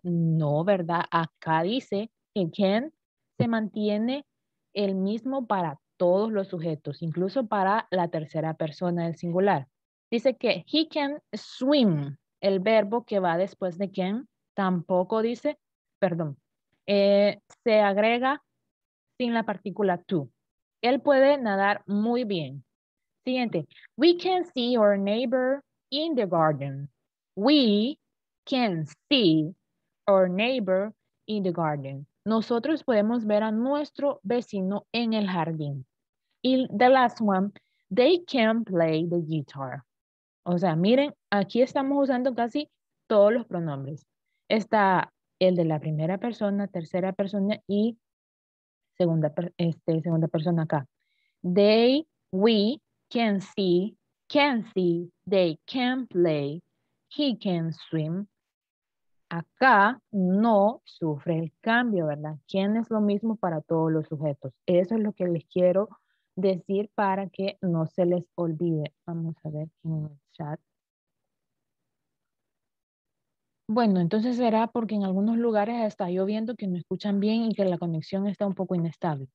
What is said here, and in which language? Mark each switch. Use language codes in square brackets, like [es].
[es] No, ¿verdad? Acá dice que can se mantiene el mismo para todos los sujetos, incluso para la tercera persona del singular. Dice que [en] he can swim, [es] el verbo que va después de can, tampoco dice, perdón, se agrega sin la partícula to. Él puede nadar muy bien. Siguiente. [en] We can see our neighbor in the garden. We can see our neighbor in the garden. [es] Nosotros podemos ver a nuestro vecino en el jardín. [en] Y the last one, they can play the guitar. [es] O sea, miren, aquí estamos usando casi todos los pronombres. Está el de la primera persona, tercera persona y segunda, segunda persona acá. [en] They, we, can see, they can play, he can swim. [es] Acá no sufre el cambio, ¿verdad? Can es lo mismo para todos los sujetos. Eso es lo que les quiero decir para que no se les olvide. Vamos a ver quién es. Bueno, entonces será porque en algunos lugares está lloviendo que no escuchan bien y que la conexión está un poco inestable.